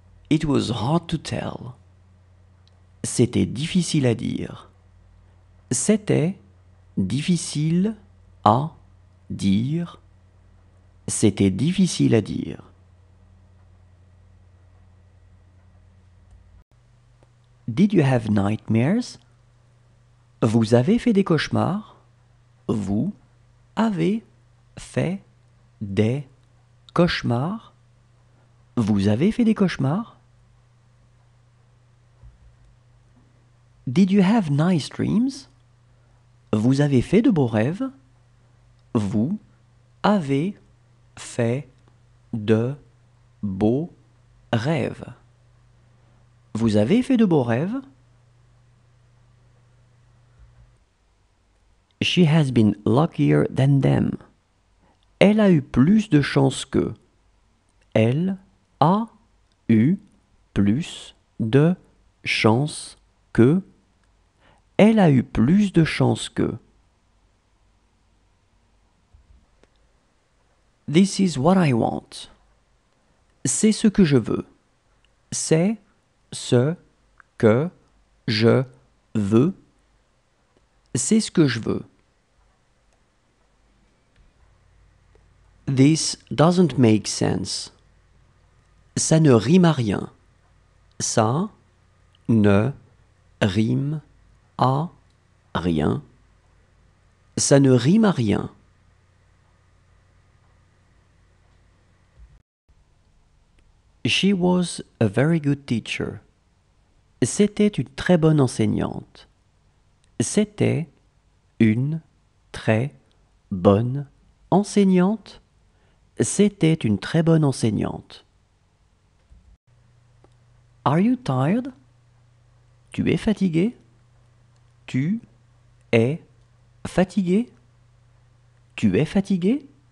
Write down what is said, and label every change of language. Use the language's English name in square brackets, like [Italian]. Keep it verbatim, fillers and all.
[English] It was hard to tell. [French] C'était difficile à dire. C'était difficile à dire. C'était difficile à dire. [English] Did you have nightmares? [French] Vous avez fait des cauchemars? Vous avez fait des cauchemars? Vous avez fait des cauchemars? [English] Did you have nice dreams? [French] Vous avez fait de beaux rêves? Vous avez fait de beaux rêves. Vous avez fait de beaux rêves? [English] She has been luckier than them. [French] Elle a eu plus de chance qu'eux. Elle a eu plus de chance qu'eux. Elle a eu plus de chance qu'eux. [English] This is what I want. [French] C'est ce que je veux. C'est ce que je veux. C'est ce que je veux. [English] This doesn't make sense. [French] Ça ne rime à rien. Ça ne rime à rien. Ça ne rime à rien. [English] She was a very good teacher. [French] C'était une très bonne enseignante. C'était une très bonne enseignante. C'était une très bonne enseignante. [English] Are you tired? [French] Tu es fatigué? Tu es fatigué? Tu es fatigué?